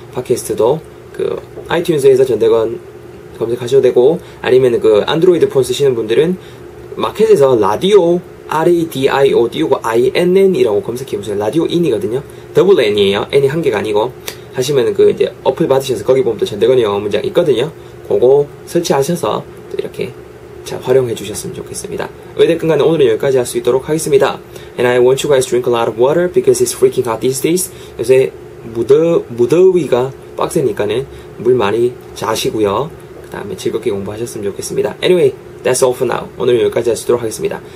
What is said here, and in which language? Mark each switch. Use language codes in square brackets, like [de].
[ko] 팟캐스트도 아이튠즈에서 전대건 검색하셔도 되고 아니면 안드로이드 폰 쓰시는 분들은 마켓에서 라디오 RADIO 띄우고 INN이라고 검색해보세요. 라디오 N이거든요. 더블 N이에요. N이 한 개가 아니고 하시면 이제 어플 받으셔서 거기 보면 또 전대건의 영어 문장 있거든요. 그거 설치하셔서 또 이렇게 잘 활용해 주셨으면 좋겠습니다. 의대끈간에 오늘은 여기까지 할 수 있도록 하겠습니다. [en] And I want you guys to drink a lot of water because it's freaking hot these days. [ko] 요새 무더위가 빡세니까는 물 많이 자시고요. 그 다음에 즐겁게 공부하셨으면 좋겠습니다. [en] Anyway, that's all for now. [ko] 오늘은 여기까지 할 수 있도록 하겠습니다.